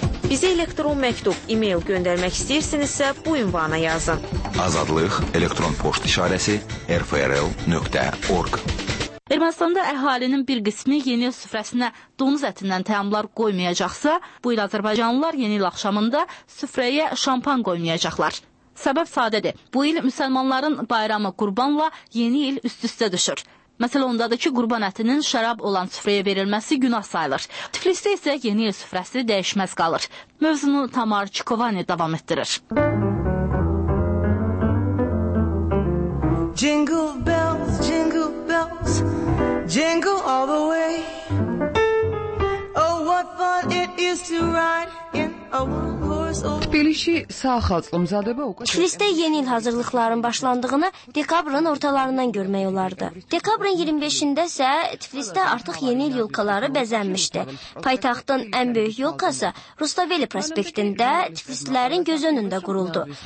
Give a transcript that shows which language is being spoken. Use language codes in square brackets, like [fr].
[az] Bizə elektron məktub, e-mail göndərmək istəyirsinizsə bu ünvana yazın. Azadlıq elektron poçt işarəsi rfrl.org. Ermənistanda əhalinin bir qismi yeni il süfrəsinə donuz ətindən təamlar qoymayacaqsa, bu il azərbaycanlılar yeni il axşamında süfrəyə şampan qoymayacaqlar. Səbəb sadədir. Bu il müsəlmanların bayramı qurbanla yeni il üst-üstə düşür. Məsələ ondadır ki, qurban ətinin şərab olan süfrəyə verilməsi günah sayılır. Tiflisdə isə yeni il süfrəsi dəyişməz qalır. Mövzunu Tamar Çikovani davam etdirir. [en] Jingle bells, jingle bells, jingle all the way. Oh, what fun it is to ride in a one-horse open. Tbilisi saxalçılım zadəbə o qədər. [az] Tbilisdə yeni il hazırlıqlarının başlandığını dekabrın ortalarından görmək olardı. Dekabrın 25-də isə Tbilisdə artıq yeni il yolkaları bəzənmişdi. Paytaxtın ən böyük yolkası Rustaveli prospektində tbilislilərin göz önündə quruldu.